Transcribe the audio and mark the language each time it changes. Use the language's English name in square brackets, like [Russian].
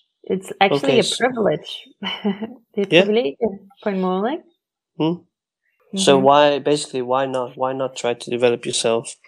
[English] It's actually a privilege. [Danish] Det er et privilegie på en måde, ikke? [English] So why not try to develop yourself?